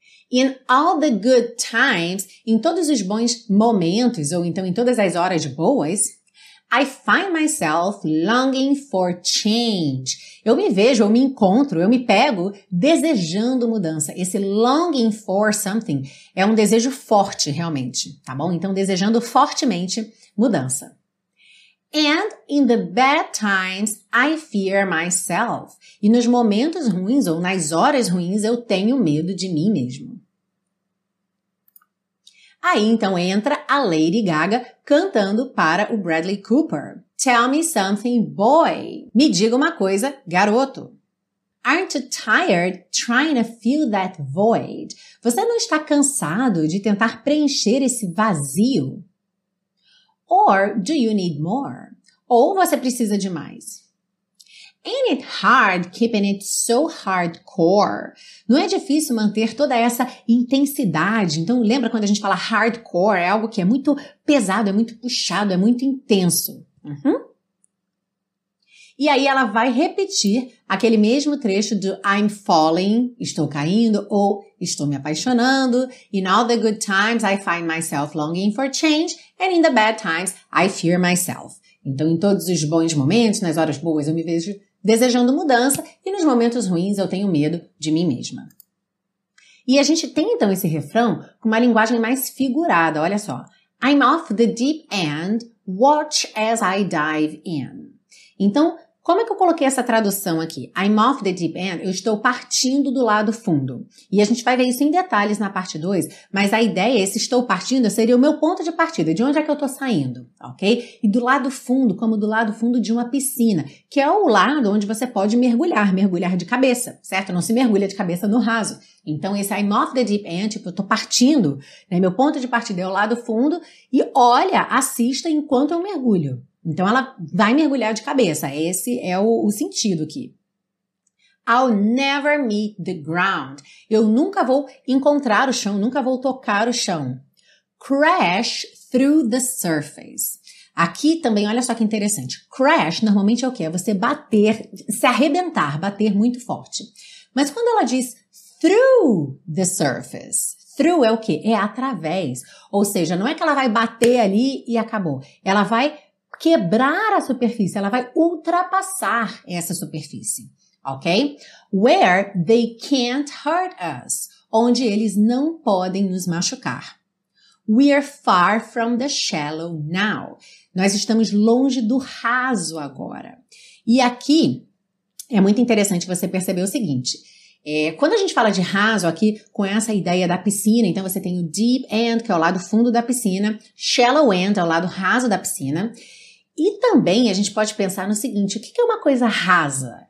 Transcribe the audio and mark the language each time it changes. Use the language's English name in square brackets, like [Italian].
[English] In all the good times, [Portuguese] em todos os bons momentos, ou então em todas as horas boas, [English] I find myself longing for change. [Portuguese] Eu me vejo, eu me encontro, eu me pego desejando mudança. Esse [English] longing for something [Portuguese] é um desejo forte, realmente, tá bom? Então, desejando fortemente mudança. [English] And in the bad times, I fear myself. [Portuguese] E nos momentos ruins, ou nas horas ruins, eu tenho medo de mim mesmo. Aí, então, entra a Lady Gaga cantando para o Bradley Cooper. [English] Tell me something, boy. [Portuguese] Me diga uma coisa, garoto. [English] Aren't you tired trying to fill that void? [Portuguese] Você não está cansado de tentar preencher esse vazio? [English] Or do you need more? [Portuguese] Ou você precisa de mais? [English] Ain't it hard keeping it so hardcore? [Portuguese] Não é difícil manter toda essa intensidade? Então, lembra quando a gente fala hardcore? É algo que é muito pesado, é muito puxado, é muito intenso. Uhum. E aí ela vai repetir aquele mesmo trecho do [English] I'm falling, [Portuguese] estou caindo, ou estou me apaixonando. [English] In all the good times, I find myself longing for change. And in the bad times, I fear myself. [Portuguese] Então, em todos os bons momentos, nas horas boas, eu me vejo desejando mudança. E nos momentos ruins, eu tenho medo de mim mesma. E a gente tem, então, esse refrão com uma linguagem mais figurada. Olha só. [English] I'm off the deep end, watch as I dive in. [Portuguese] Então, como é que eu coloquei essa tradução aqui? [English] I'm off the deep end, [Portuguese] eu estou partindo do lado fundo. E a gente vai ver isso em detalhes na parte 2, mas a ideia, esse estou partindo, seria o meu ponto de partida, de onde é que eu estou saindo, ok? E do lado fundo, como do lado fundo de uma piscina, que é o lado onde você pode mergulhar de cabeça, certo? Não se mergulha de cabeça no raso. Então, esse [English] I'm off the deep end, [Portuguese] tipo, eu estou partindo, né? Meu ponto de partida é o lado fundo, e olha, assista enquanto eu mergulho. Então, ela vai mergulhar de cabeça. Esse é o sentido aqui. [English] I'll never meet the ground. [Portuguese] Eu nunca vou encontrar o chão, nunca vou tocar o chão. [English] Crash through the surface. [Portuguese] Aqui também, olha só que interessante. Crash, normalmente, é o quê? É você bater, se arrebentar, bater muito forte. Mas quando ela diz [English] through the surface... [Portuguese] Through é o quê? É através. Ou seja, não é que ela vai bater ali e acabou. Ela vai quebrar a superfície, ela vai ultrapassar essa superfície, ok? [English] Where they can't hurt us, [Portuguese] onde eles não podem nos machucar. [English] We are far from the shallow now. [Portuguese] Nós estamos longe do raso agora. E aqui é muito interessante você perceber o seguinte... quando a gente fala de raso aqui, com essa ideia da piscina, então você tem o deep end, que é o lado fundo da piscina, shallow end é o lado raso da piscina, e também a gente pode pensar no seguinte, o que é uma coisa rasa?